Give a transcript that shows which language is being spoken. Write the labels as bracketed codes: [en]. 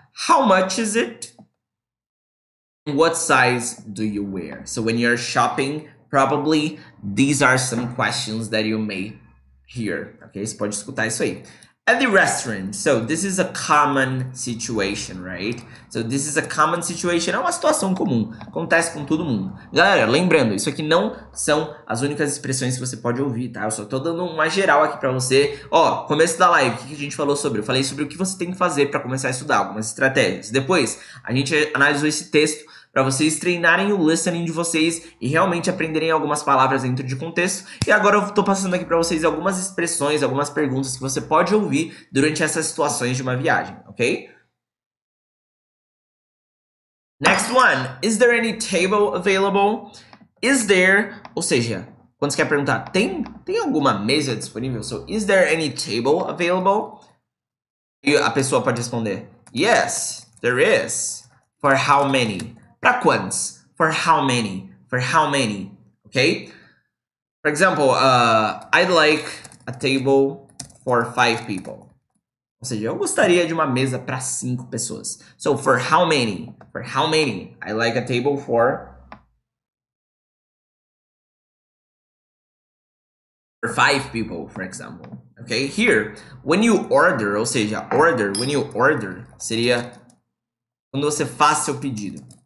[en] How much is it? What size do you wear? So when you're shopping, probably these are some questions that you may hear, okay? [pt] Você pode escutar isso aí. [en] At the restaurant, so this is a common situation, right? So this is a common situation, [pt] é uma situação comum, acontece com todo mundo. Galera, lembrando, isso aqui não são as únicas expressões que você pode ouvir, tá? Eu só tô dando uma geral aqui pra você. Ó, começo da live, o que a gente falou sobre? Eu falei sobre o que você tem que fazer pra começar a estudar, algumas estratégias. Depois, a gente analisou esse texto pra vocês treinarem o listening de vocês e realmente aprenderem algumas palavras dentro de contexto. E agora eu tô passando aqui pra vocês algumas expressões, algumas perguntas que você pode ouvir durante essas situações de uma viagem, ok? [en] Next one. Is there any table available? Is there... [pt] Ou seja, quando você quer perguntar, tem alguma mesa disponível? [en] So, is there any table available? [pt] E a pessoa pode responder, [en] yes, there is. For how many? [pt] Pra quantos? [en] For how many? For how many? Okay? For example, I'd like a table for 5 people. [pt] Ou seja, eu gostaria de uma mesa para 5 pessoas. [en] So, for how many? For how many? I'd like a table for... For 5 people, for example. Okay? Here, when you order, [pt] ou seja, [en] order, when you order, [pt] seria quando você faz seu pedido.